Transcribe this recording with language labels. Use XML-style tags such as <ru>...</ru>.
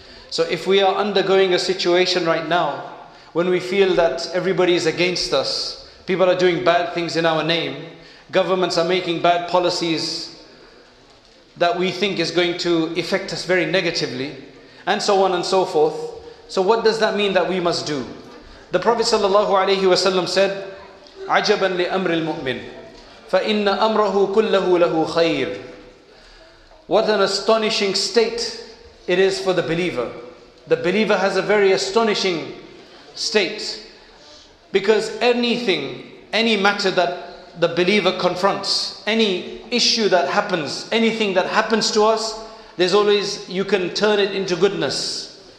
<en>So if we are undergoing a situation right now, when we feel that everybody is against us, people are doing bad things in our name, governments are making bad policies that we think is going to affect us very negatively, and so on and so forth. So what does that mean that we must do? The Prophet sallallahu alaihi wasallam said,</en> <ar>عَجَبًا لِأَمْرِ الْمُؤْمِنِ فَإِنَّ أَمْرَهُ كُلَّهُ لَهُ خَيْرٌ.</ar> <en>What an astonishing state it is for the believer. The believer has a very astonishing state, because anything, any matter that the believer confronts, any issue that happens, anything that happens to us, there's always, you can turn it into goodness.</en>